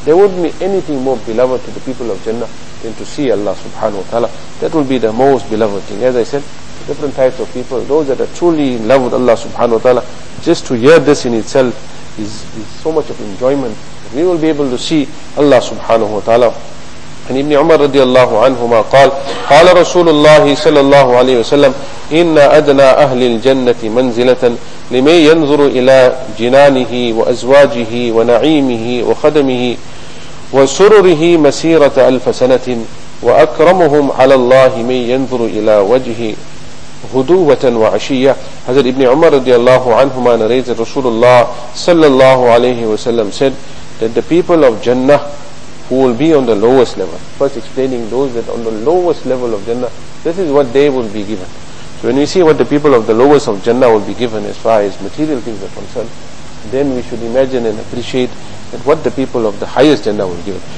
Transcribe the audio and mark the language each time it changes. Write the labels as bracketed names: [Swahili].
[English] There wouldn't be anything more beloved to the people of Jannah than to see Allah subhanahu wa ta'ala. That will be the most beloved thing. As I said, different types of people, those that are truly in love with Allah subhanahu wa ta'ala, just to hear this in itself is so much of enjoyment. We will be able to see Allah subhanahu wa ta'ala. And Ibn Umar radiallahu anhuma [Arabic] قال رسول الله صلى الله عليه وسلم إن أدنى أهل الجنة منزلة لمن ينظر إلى جنانه وأزواجه ونعيمه وخدمه وسرره مسيرة ألف سنة وأكرمهم على الله من ينظر إلى وجهه غدوة وعشية. هذا ابن عمر رضي الله عنهما نريد رسول الله صلى الله عليه وسلم [English] said that the people of Jannah who will be on the lowest level, first explaining those that on the lowest level of Jannah, this is what they will be given. So when we see what the people of the lowest of Jannah will be given as far as material things are concerned, then we should imagine and appreciate that what the people of the highest Jannah will be given.